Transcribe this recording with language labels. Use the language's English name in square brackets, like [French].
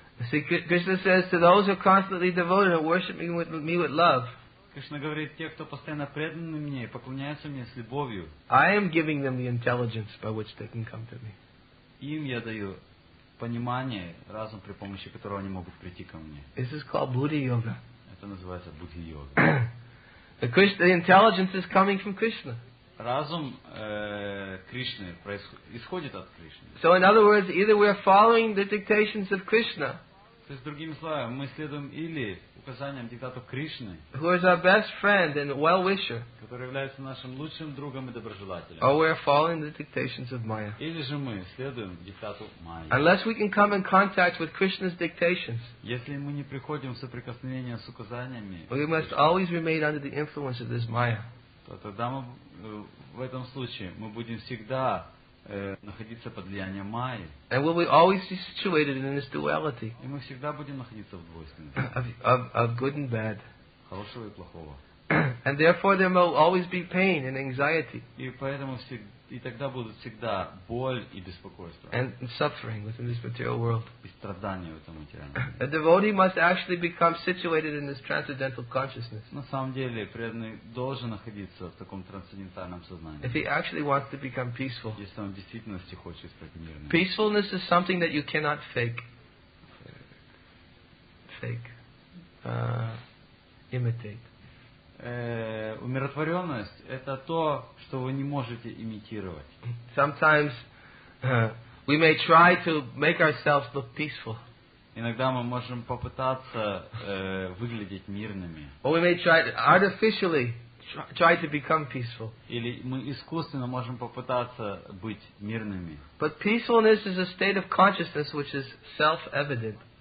[English] See, Krishna says to those who are constantly devoted and worship me with love, [Russian] Krishna говорит, те, кто постоянно преданы мне и поклоняются мне с любовью, [English] I am giving them the intelligence by which they can come to me. [Russian] Им я даю понимание, разум, при помощи которого они могут прийти ко мне. [English] This is called Buddhi Yoga. [Russian] Это называется Buddhi Yoga. [English] The intelligence is coming from Krishna. [Russian] Разум Кришны исходит от Кришны. [English] So in other words, either we are following the dictations of Krishna. [Russian] То есть другими словами, мы следуем или указаниям диктату Кришны, [English] who is our best friend and well wisher, [Russian] который является нашим лучшим другом и доброжелателем, [English] or we are following the dictations of Maya. [Russian] Или же мы следуем диктату Майи. [English] Unless we can come in contact with Krishna's dictations, [Russian] если мы не приходим в соприкосновение с указаниями, [English] we must always remain under the influence of this Maya. [Russian] Тогда мы в этом случае мы будем всегда находиться под влиянием Майи. [English] And will we always be situated in this duality? [Russian] И мы всегда будем находиться в двойственности. [English] Of good and bad. [Russian] Хорошего и плохого. [English] And therefore there will always be pain and anxiety. [Russian] И поэтому и тогда будут всегда боль и беспокойство. [English] And suffering within this material world. [Russian] И страдания в этом материальном. [English] A devotee must actually become situated in this transcendental consciousness. [Russian] На самом деле преданный должен находиться в таком трансцендентальном сознании. [English] If he actually wants to become peaceful. [Russian] Если он в действительности хочет стать мирным. [English] Peacefulness is something that you cannot fake. Fake. Imitate. [Russian] Умиротворенность это то, что вы не можете имитировать. [English] Sometimes we may try to make ourselves look peaceful. [Russian] Иногда мы можем попытаться выглядеть мирными. [English] Or we may try to artificially try to become peaceful. [Russian] Или мы искусственно можем попытаться быть мирными. [English] But peacefulness is a state of consciousness which is self-evident.